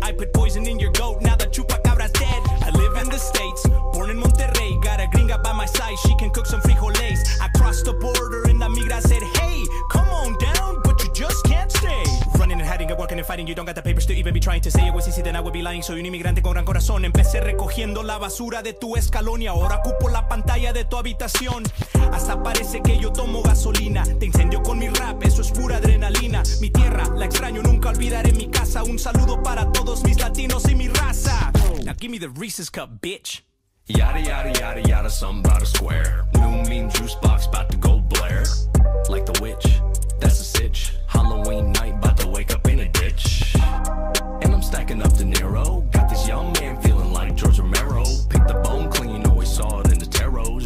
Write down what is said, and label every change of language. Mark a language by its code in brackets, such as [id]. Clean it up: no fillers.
[en] I put poison in your goat, now the chupacabra's dead. I live in the States, born in Monterrey. Got a gringa by my side, she can cook some frijoles. I crossed the border and la migra said, hey, come on down, but you just can't stay. Running and hiding and working and fighting, you don't got the papers to even be trying to say it was easy, then I would be lying. [es] Soy un inmigrante con gran corazón. Empecé recogiendo la basura de tu escalón y ahora ocupo la pantalla de tu habitación. Hasta parece que yo tomo gasolina. Te incendio con mi rap, eso es pura adrenalina. Mi tierra, la extraño, nunca olvidaré mi casa. Un saludo para todos mis latinos y mi raza. [en] Now give me the Reese's Cup, bitch. Yada, yada, yada, yada, something about a square. New meme juice box, about to go Blair. Like the witch, that's a sitch. Halloween night, about to wake up in a ditch. And I'm stacking up De Niro. Got this young man feeling like George Romero. Pick the bone clean, you know he saw it in the tarot.